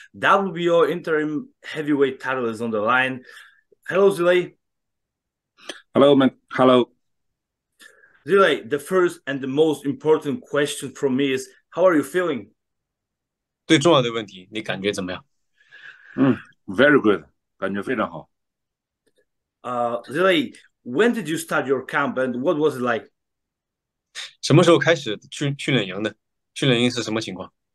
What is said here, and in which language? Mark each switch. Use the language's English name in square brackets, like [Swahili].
[English] WBO interim heavyweight title is on the line. Hello, Zhilei. Hello, man. Hello. Zhilei, the first and the most important question from me is, how are you feeling? [Chinese] 最重要的问题，你感觉怎么样？ [English] Very good. [Chinese] 感觉非常好. [English] Zhilei, when did you start your camp and what was it like? [Chinese] 什么时候开始训练营的？训练营是什么情况？